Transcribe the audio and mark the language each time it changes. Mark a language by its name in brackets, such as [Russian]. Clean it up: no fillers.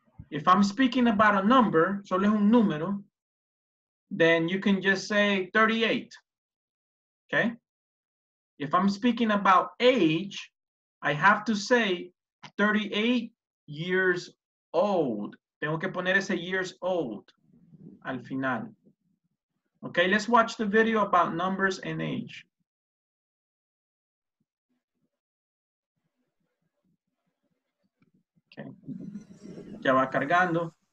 [English] If I'm speaking about a number, [Spanish] solo es un número, [English] then you can just say 38, okay? If I'm speaking about age, I have to say 38 years old. [Spanish] Tengo que poner ese years old al final. [English] Okay, let's watch the video about numbers and age. [Spanish] Okay. Ya va cargando.